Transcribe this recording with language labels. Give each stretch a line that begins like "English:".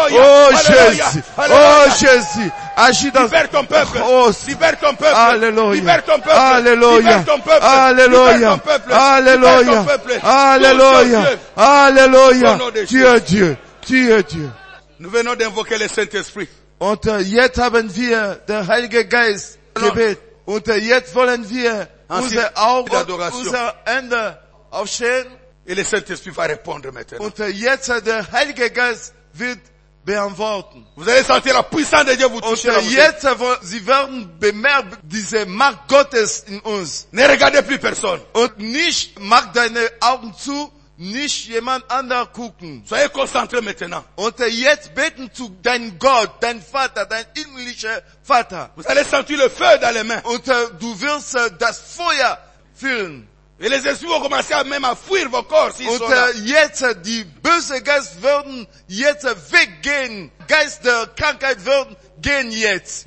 French: Oh Jésus, oh Jésus, agis dans libère ton peuple, oh libère ton peuple, alléluia, libère ton peuple, alléluia, ton peuple, alléluia, ton peuple, alléluia, ton peuple, alléluia, alléluia, tu es Dieu, tu es Dieu. Nous venons d'invoquer le Saint-Esprit.
German: Und jetzt haben wir den Heiligen Geist gebet. Und jetzt wollen wir unsere Augen, unsere Hände aufstehen.
French: Et le Saint-Esprit va répondre maintenant.
German: Und jetzt der Heilige Geist wird beantworten.
French: Vous allez sentir la puissance de Dieu vous toucher.
German: Und jetzt sie werden bemerken diese Macht Gottes in uns.
French: Ne regardez plus personne.
German: Und nicht mach deine Augen zu, nicht jemand anderen gucken.
French: Soyez concentré maintenant.
German: Und jetzt beten zu dein Gott, dein Vater, dein himmlischer Vater.
French: Vous allez sentir le feu dans les mains.
German: Und du wirst das Feuer fühlen.
French: Et les esprits vont commencer même à fuir vos corps s'ils sont là.
German: Jetzt die bösen Geist werden jetzt weggehen. Geist der Krankheit werden gehen jetzt.